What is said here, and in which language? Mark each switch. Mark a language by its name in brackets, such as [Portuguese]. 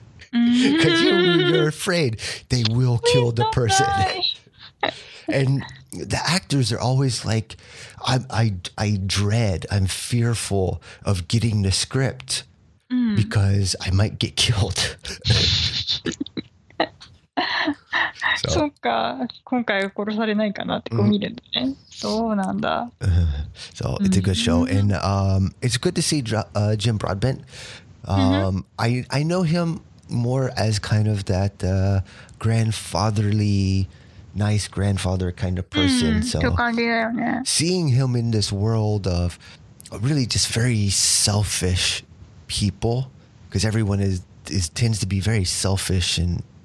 [English] Because you're afraid they will kill the person. And the actors are always like, I'm fearful of getting the script because I might get killed. [Japanese] そっか、今回は殺されないかなってこう見るんだね。そうなんだ。 [English] So it's a good show, and it's good to see Jim Broadbent. I know him more as kind of that grandfatherly, nice grandfather kind of person. So seeing him in this world of really just very selfish people, because everyone is tends to be very selfish and.